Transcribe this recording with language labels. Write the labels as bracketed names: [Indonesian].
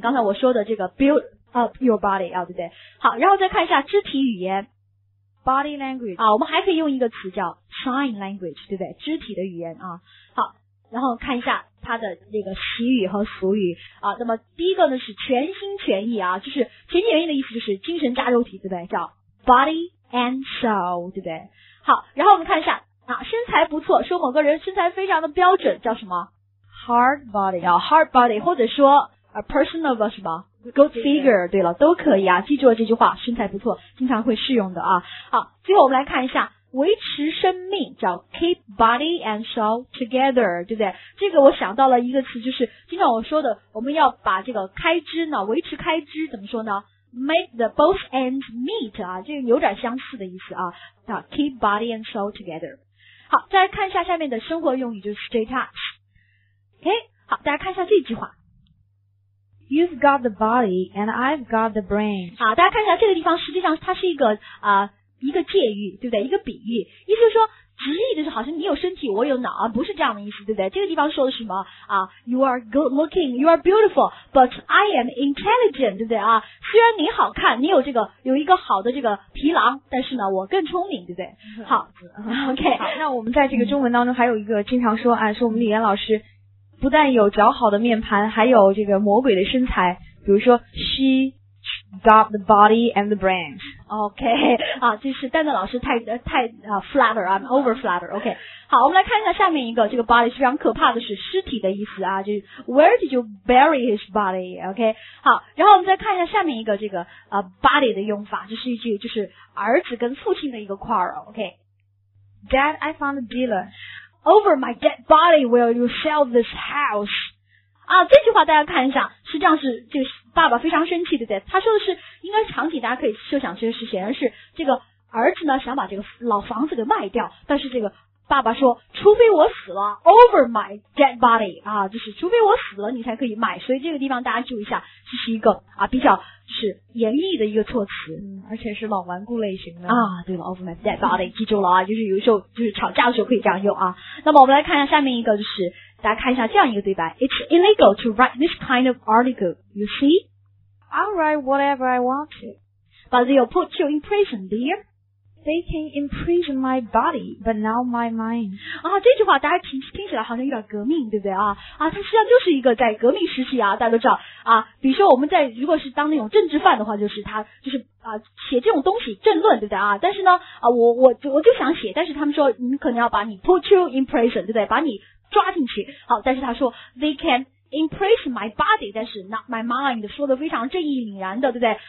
[Chinese] 刚才我说的这个 [English] build up your body [Chinese] 啊，对不对？好，然后再看一下肢体语言。 [English] Body language [Chinese] 啊，我们还可以用一个词叫 [English] sign language， [Chinese] 对不对？肢体的语言啊。好，然后看一下它的那个习语和俗语啊。那么第一个呢是全心全意啊，就是全心全意的意思就是精神加肉体，对不对？叫 [English] body and soul， [Chinese] 对不对？好，然后我们看一下啊，身材不错，说某个人身材非常的标准，叫什么 [English] ？Hard body， [Chinese] 叫 [English] hard body， [Chinese] 或者说 [English] a personable [Chinese] 是吧 ？ [English] Good figure， [Chinese] 对了，都可以啊。记住了这句话，身材不错，经常会适用的啊。好，最后我们来看一下，维持生命叫 [English] keep body and soul together， [Chinese] 对不对？这个我想到了一个词，就是经常我说的，我们要把这个开支呢，维持开支怎么说呢？ [English] Make the both ends meet [Chinese] 啊，这个有点相似的意思啊。 [English] 啊 ，keep body and soul together。 [Chinese] 好，再来看一下下面的生活用语，就是 [English] stay touch。 [Chinese] OK， 好，大家看一下这句话。 [English] You've got the body and I've got the brain。 [Chinese] 好，大家看一下这个地方，实际上它是一个一个借喻，对不对？一个比喻，意思就是说直译的是好像你有身体，我有脑，不是这样的意思，对不对？这个地方说的是什么啊 [English] ？You are good looking, you are beautiful, but I am intelligent， [Chinese] 对不对啊？虽然你好看，你有这个有一个好的这个皮囊，但是呢，我更聪明，对不对？好 ，OK 好。那我们在这个中文当中还有一个经常说，哎，说我们李岩老师不但有姣好的面盘，还有这个魔鬼的身材，比如说 she。 [English] Got the body and the brain. [Chinese] OK， 啊，就是蛋蛋老师太 flatter， [English] I'm over flatter. [Chinese] OK， 好，我们来看一下下面一个，这个 body 是非常可怕的，是尸体的意思啊，就是 [English] Where did you bury his body? [Chinese] OK， 好，然后我们再看一下下面一个这个body 的用法，这是一句就是儿子跟父亲的一个 quarrel. OK， [English] Dad, I found a dealer over my dead body. Will you sell this house? [Chinese] 啊，这句话大家看一下，实际上是这个爸爸非常生气，对不对？他说的是，应该场景大家可以设想，其实是显然是这个儿子呢想把这个老房子给卖掉，但是这个爸爸说，除非我死了 ， [English] over my dead body， [Chinese] 啊，就是除非我死了你才可以卖，所以这个地方大家注意一下，这是一个啊比较是严厉的一个措辞，而且是老顽固类型的啊，对了 ， [English] over my dead body， [Chinese] 记住了啊，就是有时候就是吵架的时候可以这样用啊。那么我们来看一下下面一个就是。大家看一下这样一个对白 [English] It's illegal to write this kind of article, you see? I'll write whatever I want to. But they'll put you in prison, dear. They can imprison my body, but not my mind. [Chinese] 啊，这句话大家听起来好像有点革命，对不对啊？啊，它实际上就是一个在革命时期啊，大家都知道啊。比如说我们在如果是当那种政治犯的话，就是他就是啊写这种东西政论，对不对啊？但是呢啊我就想写，但是他们说你可能要把你 [English] put you in prison, [Chinese] 对不对？把你抓进去，好，但是他说 [English] they can imprison my body， [Chinese] 但是 [English] not my mind， [Chinese] 说的非常正义凛然的，对不对？